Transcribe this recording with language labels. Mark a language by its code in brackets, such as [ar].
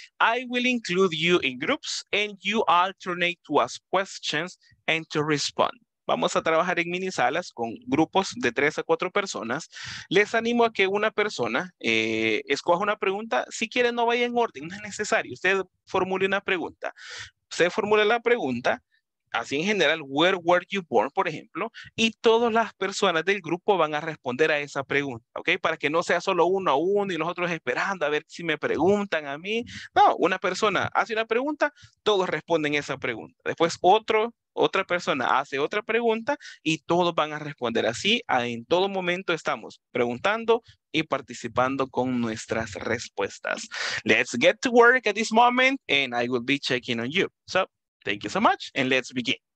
[en] I will include you in groups and you alternate to ask questions and to respond. [es] Vamos a trabajar en mini salas con grupos de 3 a 4 personas. Les animo a que una persona escoja una pregunta. Si quiere, no vaya en orden, no es necesario. Usted formule una pregunta. Usted formule la pregunta, así en general, [en] where were you born, [es] por ejemplo, y todas las personas del grupo van a responder a esa pregunta, ¿ok? Para que no sea solo uno a uno y los otros esperando a ver si me preguntan a mí. No, una persona hace una pregunta, todos responden esa pregunta. Después otra persona hace otra pregunta y todos van a responder así. En todo momento estamos preguntando y participando con nuestras respuestas. [en] Let's get to work at this moment and I will be checking on you. So, thank you so much and let's begin.